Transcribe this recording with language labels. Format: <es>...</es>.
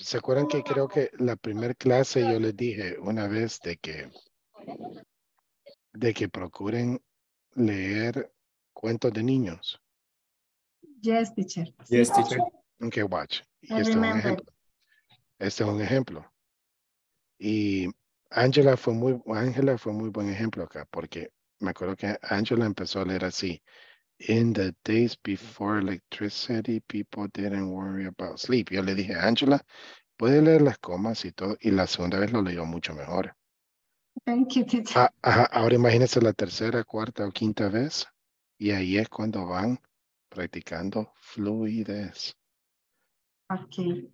<es>¿Se acuerdan que creo que la primera clase yo les dije una vez de que procuren leer cuentos de niños?</es> <en>Yes, teacher. Yes, teacher. Okay, watch.</en> <es>Este es un ejemplo. Este es un ejemplo. Y Angela fue muy buen ejemplo acá, porque me acuerdo que Angela empezó a leer así.</es> <en>In the days before electricity, people didn't worry about sleep.</en> <es>Yo le dije, Angela, puede leer las comas y todo. Y la segunda vez lo leyó mucho mejor.</es> <en>Thank you, teacher.</en> <es>Ahora imagínense la tercera, cuarta o quinta vez. Y ahí es cuando van practicando fluidez.</es> <en>Okay.</en>